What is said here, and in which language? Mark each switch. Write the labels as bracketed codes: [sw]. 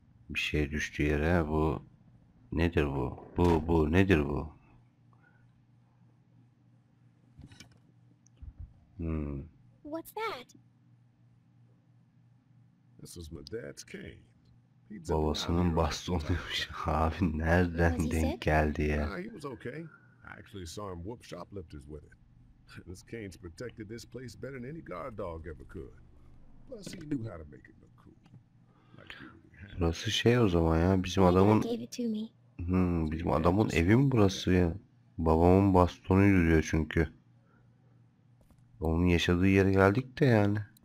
[tr] Bir şey düştü yere. Bu nedir bu? Bu nedir bu? [en] What's that? This was my dad's cane. [tr] Babasının bastonuymuş. Abi nereden denk geldi ya? [en] He was okay. I actually saw him whoop shoplifters with it. This cane's protected this place better than any guard dog ever could. Plus he knew how to make it look cool. [tr] Burası şey o zaman ya, bizim adamın. Bizim adamın evi mi burası ya? Babamın bastonuydu diyor çünkü. Onun yaşadığı yere geldik de yani.